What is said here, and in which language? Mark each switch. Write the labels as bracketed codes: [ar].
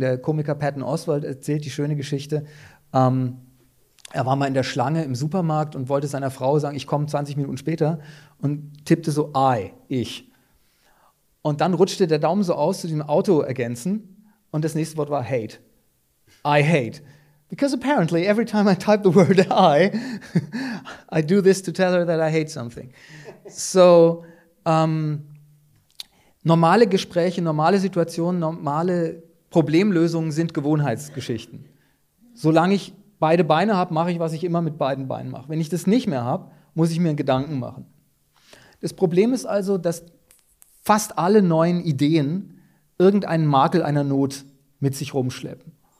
[de] Der Komiker Patton Oswalt erzählt die schöne Geschichte, er war mal in der Schlange im Supermarkt und wollte seiner Frau sagen, ich komme 20 Minuten später und tippte so ich. Und dann rutschte der Daumen so aus zu dem Auto ergänzen und das nächste Wort war hate. [en] I hate. Because apparently every time I type the word I do this to tell her that I hate something. [de] So, normale Gespräche, normale Situationen, normale Problemlösungen sind Gewohnheitsgeschichten. Solange ich beide Beine habe, mache ich, was ich immer mit beiden Beinen mache. Wenn ich das nicht mehr habe, muss ich mir einen Gedanken machen. Das Problem ist also, dass fast alle neuen Ideen irgendeinen Makel einer Not mit sich rumschleppen.